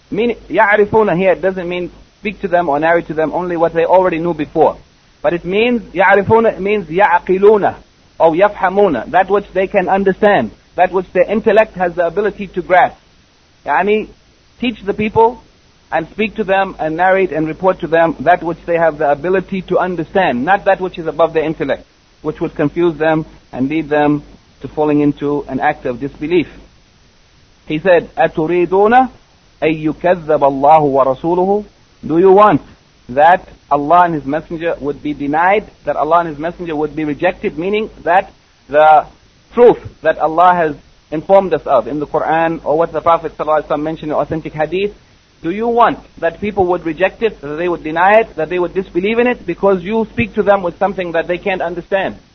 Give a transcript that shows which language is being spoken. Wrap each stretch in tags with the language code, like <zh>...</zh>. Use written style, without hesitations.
<en>يعرفون here doesn't mean speak to them or narrate to them only what they already knew before, but it means يعرفون, it means يعقلون or يفهمون, that which they can understand, that which their intellect has the ability to grasp. يعني teach the people and speak to them and narrate and report to them that which they have the ability to understand, not that which is above their intellect, which would confuse them and lead them to falling into an act of disbelief. He said,</en> <ar>أَتُرِيدُونَ أَن يُكَذَّبَ اللَّهُ وَرَسُولُهُ.</ar> <en>Do you want that Allah and His Messenger would be denied, that Allah and His Messenger would be rejected, meaning that the truth that Allah has informed us of in the Quran or what the Prophet ﷺ mentioned in authentic hadith, do you want that people would reject it, that they would deny it, that they would disbelieve in it because you speak to them with something that they can't understand?</en>